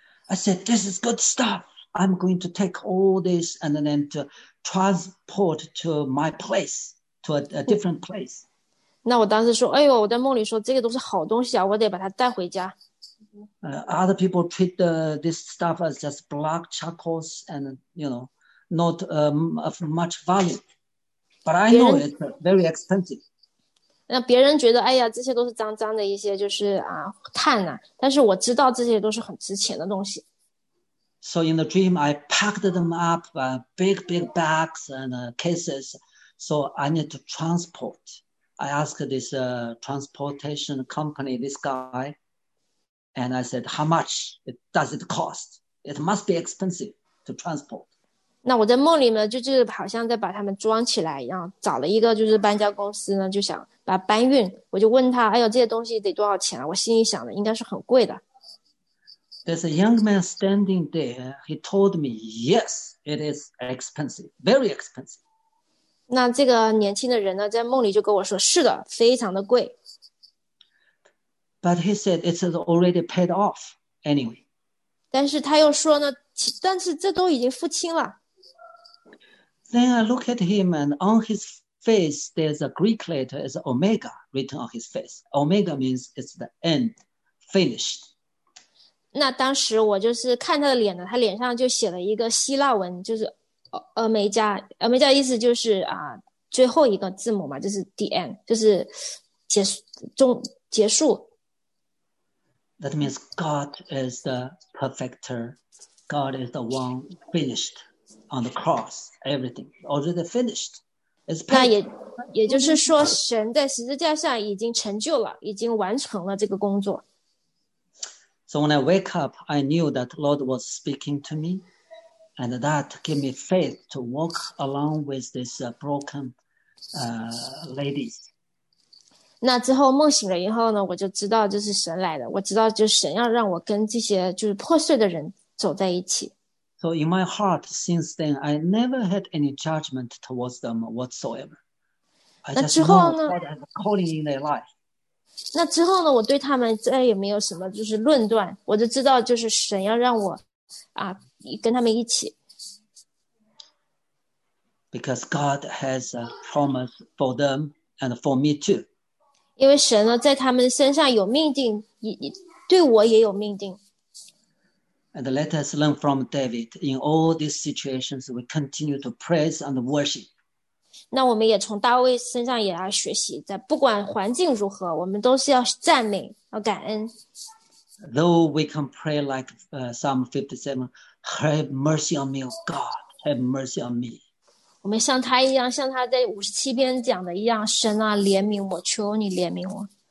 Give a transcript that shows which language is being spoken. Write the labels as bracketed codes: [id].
[en] I said, "This is good stuff. I'm going to take all this and then to transport to my place, to a different place." [zh] 那我当时说，哎呦，我在梦里说这个都是好东西啊，我得把它带回家。 [en] Other people treat this stuff as just black charcoals and, you know, not of much value. But I know it's very expensive. [zh] 那别人觉得，哎呀，这些都是脏脏的一些，就是啊，碳啊。但是我知道这些都是很值钱的东西。 [en] So in the dream, I packed them up, big, big bags and cases. So I need to transport. I asked this transportation company, this guy,And I said, how much does it cost? It must be expensive to transport. [zh] 那我在梦里呢，就是好像在把他们装起来一样，找了一个就是搬家公司呢，就想把搬运。我就问他，哎呦，这些东西得多少钱啊？我心里想的应该是很贵的。 [en] There's a young man standing there. He told me, yes, it is expensive, very expensive. [zh] 那这个年轻的人呢，在梦里就跟我说，是的，非常的贵。 [en] But he said it's already paid off anyway. [zh] 但是他又说呢，但是这都已经付清了。 [en] Then I look at him and on his face there's a Greek letter, it's Omega written on his face. Omega means it's the end, finished. [zh] 那当时我就是看他的脸呢，他脸上就写了一个希腊文，就是Omega 意思就是啊，最后一个字母嘛，就是 [en] the end, [zh] 就是结束。 [en] That means God is the perfecter. God is the one finished on the cross. Everything already finished. It's paid. [zh] 那也就是说，神在十字架上已经成就了，已经完成了这个工作。 [en] So when I wake up, I knew that Lord was speaking to me. And that gave me faith to walk along with this broken ladies. [zh] 那之后梦醒了以后呢，我就知道这是神来的，我知道就是神要让我跟这些就是破碎的人走在一起。 [en] So in my heart, since then, I never had any judgment towards them whatsoever. I just know God has calling in their life. [zh] 那之后呢，我对他们再也没有什么就是论断，我就知道就是神要让我啊跟他们一起。 [en] Because God has a promise for them and for me too. [zh] 因为神呢在他们身上有命定，对我也有命定。 [en] And let us learn from David. In all these situations, we continue to praise and worship. [zh] 那我们也从大卫身上也要学习，在不管环境如何，我们都是要赞美，要感恩。 [en] Though we can pray like Psalm 57, Have mercy on me, O God. Have mercy on me. [zh] 我们像他一样，像他在五十七篇讲的一样，神啊，怜悯我，求你怜悯我。